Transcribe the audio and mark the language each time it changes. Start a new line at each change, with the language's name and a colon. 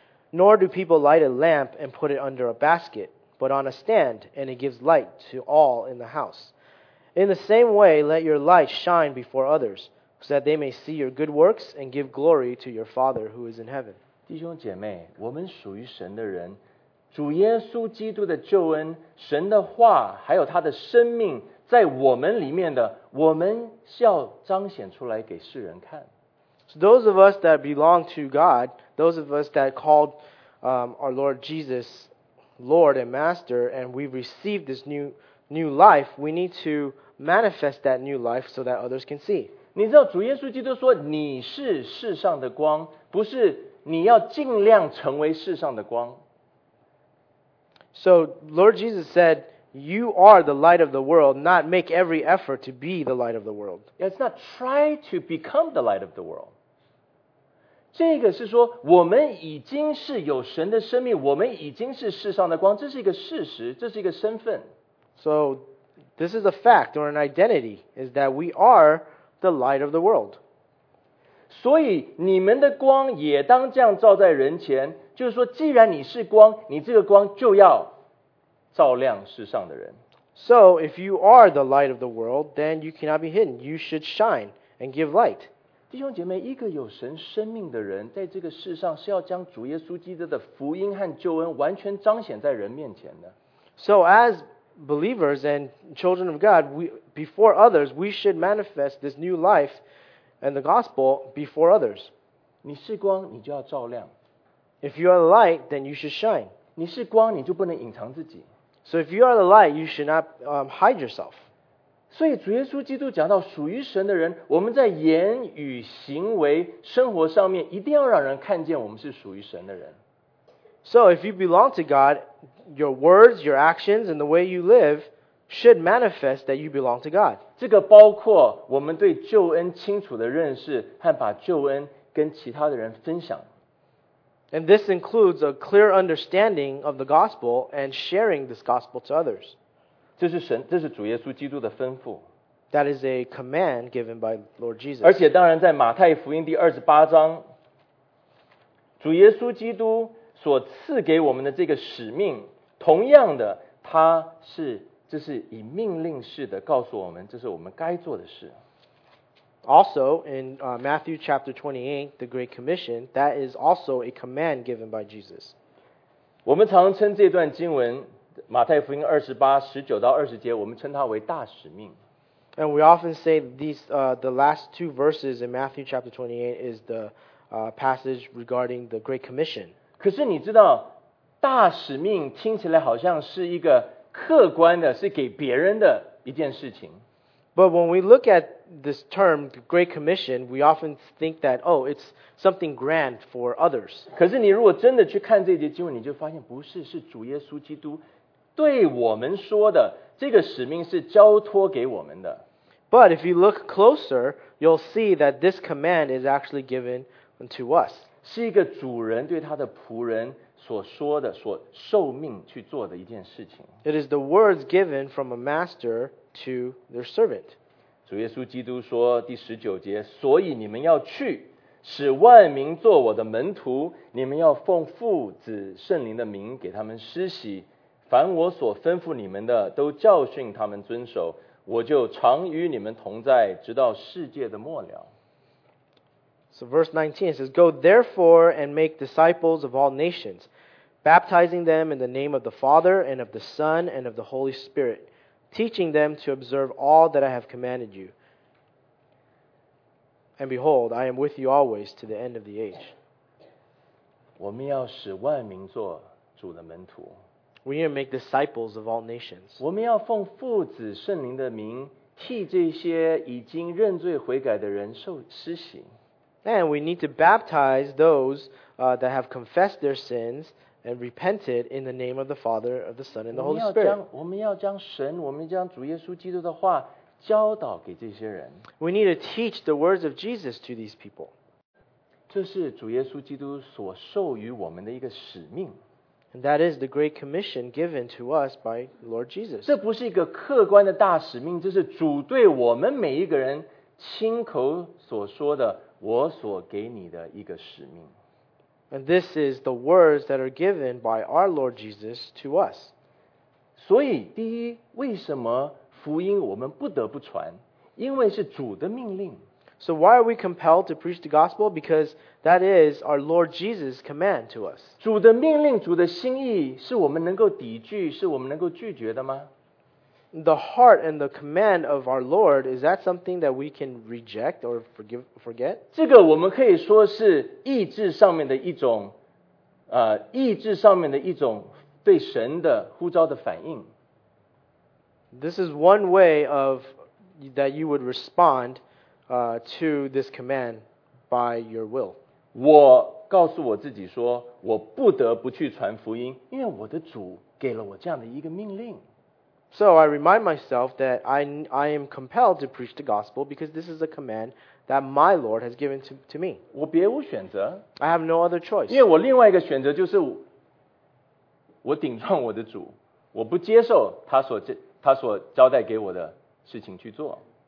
English: Nor do people light a lamp and put it under a basket, but on a stand, and it gives light to all in the house. In the same way, let your light shine before others, so that they may see your good works and give glory to your Father who is in heaven.
Chinese: 弟兄姐妹，我们属于神的人，主耶稣基督的救恩，神的话，还有他的生命在我们里面的，我们是要彰显出来给世人看。
English: So those of us that belong to God, those of us that called our Lord Jesus Lord and Master, and we've received this new life, we need to manifest that new life so that others can see.
Chinese: 你知道主耶稣基督说你是世上的光，不是你要尽量成为世上的光。
English: So Lord Jesus said, you are the light of the world, not make every effort to be the light of the world. It's not try to become the light of the world.
Chinese: 这个是说我们已经是有神的生命，我们已经是世上的光，这是一个事实，这是一个身份。
English: So, this is a fact or an identity, is that we are the light of the world.
Chinese: 所以你们的光也当这样照在人前，就是说既然你是光，你这个光就要照亮世上的人。
English: So, if you are the light of the world, then you cannot be hidden. You should shine and give light.
Chinese: 弟兄姐妹，一个有神生命的人在这个世上是要将主耶稣基督的福音和救恩完全彰显在人面前的。
English: So, as believers and children of God, we, before others, we should manifest this new life and the gospel before others.
Chinese: 你是光，你就要照亮。
English: If you are the light, then you should shine.
Chinese: 你是光，你就不能隐藏自己。
English: So if you are the light, you should not hide yourself.
Chinese: 所以主耶稣基督讲到属于神的人，我们在言语、行为、生活上面一定要让人看见我们是属于神的人。
English: So if you belong to God, your words, your actions, and the way you live should manifest that you belong to God.
Chinese: 这个包括我们对救恩清楚的认识和把救恩跟其他的人分享。
English: And this includes a clear understanding of the gospel and sharing this gospel to others.
Chinese: 这是主耶稣基督的吩咐。
English: That is a command given by Lord Jesus.
Chinese: 而且当然在马太福音第二十八章，主耶稣基督所赐给我们的这个使命，同样的，他是这是以命令式的告诉我们，这是我们该做的事。
English: Also, in Matthew chapter 28, the Great Commission, that is also a command given by Jesus.
Chinese: 我们常称这段经文，马太福音28:19-20，我们称它为大使命。
English: And we often say these, the last two verses in Matthew chapter 28 is the passage regarding the Great Commission.
Chinese: 可是你知道，大使命听起来好像是一个客观的，是给别人的一件事情。
English: But when we look at this term, the Great Commission, we often think that, oh, it's something grand for others.
Chinese: 可是你如果真的去看这节经文，你就发现不是，是主耶稣基督对我们说的，这个使命是交托给我们的。
English: But if you look closer, you'll see that this command is actually given to us.
Chinese: 是一个主人对他的仆人所说的，所受命去做的一件事情。
English: It is the words given from a master to their servant.
Chinese: 主耶稣基督说第十九节，所以你们要去，使万民做我的门徒，你们要奉父、子、圣灵的名给他们施洗，凡我所吩咐你们的，都教训他们遵守，我就常与你们同在，直到世界的末了。
English: So verse 19 says, Go therefore and make disciples of all nations, baptizing them in the name of the Father and of the Son and of the Holy Spirit, teaching them to observe all that I have commanded you. And behold, I am with you always to the end of the age.
Chinese: 我们要使万民做主的门徒。
English: We need to make disciples of all nations.
Chinese: 我们要奉父子圣灵的名替这些已经认罪悔改的人受施洗。
English: And we need to baptize those that have confessed their sins and repented in the name of the Father, of the Son, and the Holy Spirit.
Chinese: 我们要将神，我们将主耶稣基督的话教导给这些人。
English: We need to teach the words of Jesus to these people.
Chinese: 这是主耶稣基督所授予我们的一个使命。
English: And that is the great commission given to us by Lord Jesus.
Chinese: 这不是一个客观的大使命，这是主对我们每一个人亲口所说的我所给你的一个使命。
English: And this is the words that are given by our Lord Jesus to us.
Chinese: 所以第一，为什么福音我们不得不传？因为是主的命令。
English: So why are we compelled to preach the gospel? Because that is our Lord Jesus' command to us.
Chinese: 主的命令，主的心意，是我们能够抵拒，是我们能够拒绝的吗？
English: The heart and the command of our Lord, is that something that we can reject or forget?
Chinese: 这个我们可以说是意志上面的一种，意志上面的一种对神的呼召的反应。
English: This is one way of that you would respond to this command by your will.
Chinese: 我告诉我自己说，我不得不去传福音，因为我的主给了我这样的一个命令。
English: So I remind myself that I am compelled to preach the gospel because this is a command that my Lord has given to me.
Chinese: 我别无选择。
English: I have no other choice.
Chinese: 因为我另外一个选择就是我顶撞我的主，我不接受他所交代给我的事情去做。